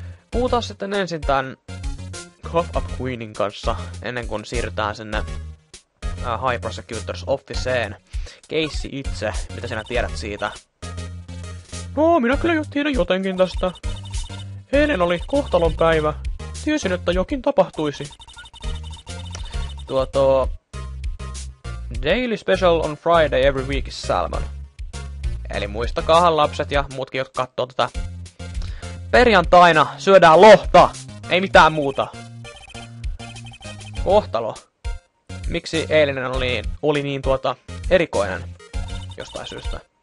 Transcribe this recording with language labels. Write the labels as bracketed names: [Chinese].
[Finnish] Puhutaan sitten ensin tän Cough Up Queenin kanssa, ennen kuin siirrytään sinne High Prosecutor's Officeen. Keissi itse, mitä sinä tiedät siitä? No, minä kyllä jo tiedän jotenkin tästä. Eilen oli kohtalon päivä. Tiesin, että jokin tapahtuisi. [English] Daily special on Friday every week, Salmon. [Finnish] Eli muistakaahan lapset ja muutkin, jotka katsoo tätä. Perjantaina syödään lohta, ei mitään muuta. Kohtalo. Miksi eilinen oli niin erikoinen jostain syystä?